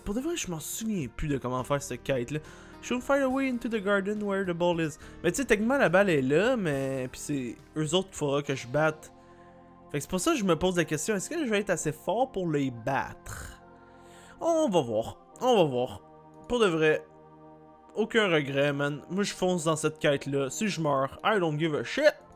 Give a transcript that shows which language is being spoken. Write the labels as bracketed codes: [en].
[fr] Pour de vrai, je m'en souviens plus de comment faire cette quête-là. [en] Should find a way into the garden where the ball is. [fr] Mais tu sais, techniquement, la balle est là, mais... Puis c'est eux autres qu'il faudra que je batte. Fait que c'est pour ça que je me pose la question. Est-ce que je vais être assez fort pour les battre? On va voir, on va voir. Pour de vrai, aucun regret, man. Moi, je fonce dans cette quête-là. Si je meurs, [en] I don't give a shit.